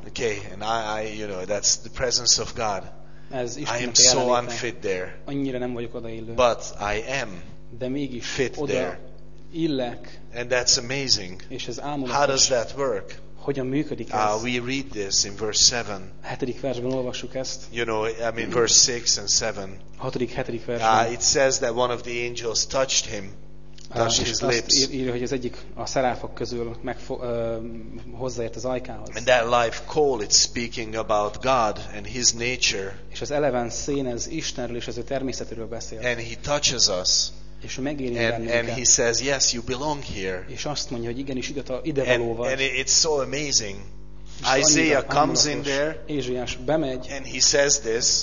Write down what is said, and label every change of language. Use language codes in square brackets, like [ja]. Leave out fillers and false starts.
[en] Okay, and I you know, that's the presence of God. [hu] Ez Isten [en] I am so unfit there. [hu] Annyira nem vagyok odaillő. [en] But I am. [hu] De mégis [en] fit there. [hu] Illek. [en] And that's amazing. [hu] És ez ámulatos. [en] How does that work? [hu] Hogyan működik ez? [en] We read this in verse 7. [hu] A hetedik versben olvassuk ezt. [en] You know, I mean verse 6 and 7. [hu] Hatodik, hetedik versben. [en] It says that one of the angels touched him, touched his lips. [hu] Írja, hogy az egyik a szeráfok közül hozzáért az ajkához. [en] And that life call, it's speaking about God and his nature. [hu] És az eleven szén, ez Istenről és az ő természetéről beszél. [en] And he touches us. [hu] És megéri [en] bennünket. And he says, yes, you belong here. [hu] És azt mondja, hogy igenis ide való vagy. [en] And it's so amazing. Isaiah comes in there. [hu] Ézsaiás bemegy. [en] And he says this.